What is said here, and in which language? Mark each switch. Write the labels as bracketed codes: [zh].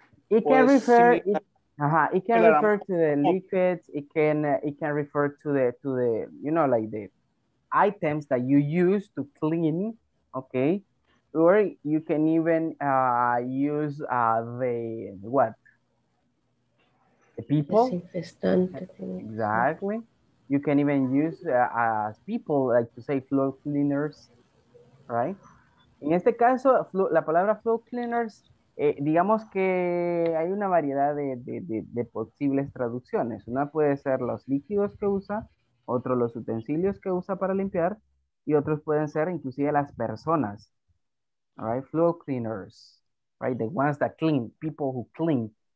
[en] it can refer it can refer to the liquids, it can refer to the you know, like the items that you use to clean, okay, or you can even use the people exactly, you can even use people, like to say floor cleaners, right? In [es] este caso, la palabra [en] floor cleaners [es] Digamos que hay una variedad de posibles traducciones. Una puede ser los líquidos que usa, otro los utensilios que usa para limpiar, y otros pueden ser inclusive las personas. [en] All right, floor cleaners, right? The ones that clean, people who clean.